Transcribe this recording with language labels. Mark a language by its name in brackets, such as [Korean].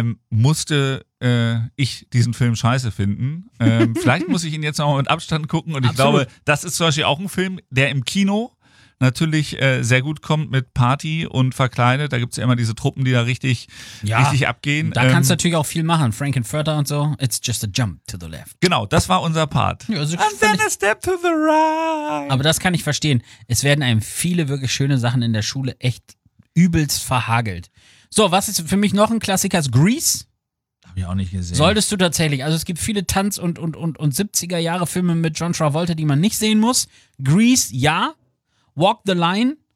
[German] musste ich diesen Film scheiße finden. vielleicht muss ich ihn jetzt nochmal mit Abstand gucken. Und Absolut. Ich glaube, das ist zum Beispiel auch ein Film, der im Kino natürlich sehr gut kommt mit Party und verkleidet. Da gibt es ja immer diese Truppen, die da richtig, ja, richtig abgehen. Da kannst du natürlich auch viel machen. Frankenfurter und so. [English] It's just a jump to the left. [German] Genau, das war unser Part. Ja, also [English] and then a step to the right. [German] Aber das kann ich verstehen. Es werden einem viele wirklich schöne Sachen in der Schule echt übelst verhagelt. So, was ist für mich noch ein Klassiker? Grease? Hab ich auch nicht gesehen. Solltest du tatsächlich. Also es gibt viele Tanz- und 70er-Jahre-Filme mit John Travolta, die man nicht sehen muss. Grease, ja. Walk the Line.